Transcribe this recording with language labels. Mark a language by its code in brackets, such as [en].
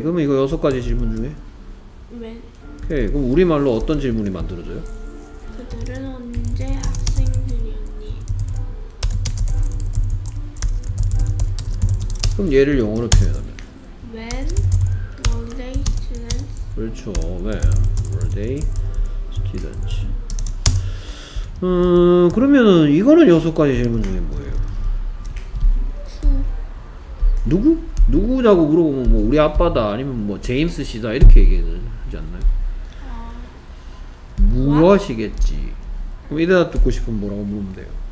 [ko] 그러면 이거 여섯 가지 질문 중에 오케이. 그럼 우리말로 어떤 질문이 만들어져요? 그들은 언제 학생들이었니? 그럼 얘를 영어로 표현하면 [en] When were they students? [ko] 그렇죠. [en] When were they students? [ko] 그러면은 이거는 여섯 가지 질문 중에 뭐예요? 누구? 누구냐고 물어보면 뭐 우리 아빠다 아니면 뭐 제임스 씨다 이렇게 얘기하지 않나요? 무엇이겠지? 그럼 이 대답 듣고 싶으면 뭐라고 물으면 돼요?